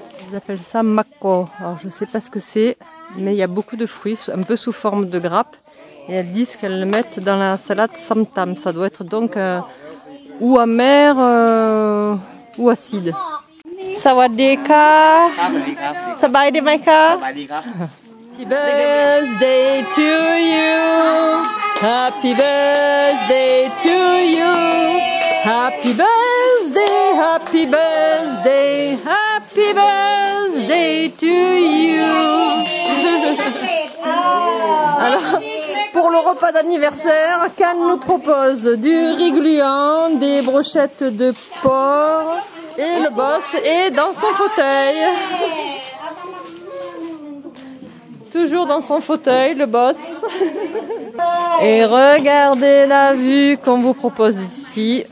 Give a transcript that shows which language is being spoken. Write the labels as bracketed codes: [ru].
[fr] Ils appellent ça mako. Alors, je sais pas ce que c'est, mais il y a beaucoup de fruits, un peu sous forme de grappe. Et elles disent qu'elles le mettent dans la salade samtam. Ça doit être donc ou amer ou acide. [th] Sawadeka. Sabadeka. [en] Happy birthday to you. Happy birthday to you. Happy birthday, happy birthday, happy birthday to you. [fr] Alors, pour le repas d'anniversaire, Cannes nous propose du riz gluant, des brochettes de porc, et le boss est dans son fauteuil. Toujours dans son fauteuil, le boss. Et regardez la vue qu'on vous propose ici.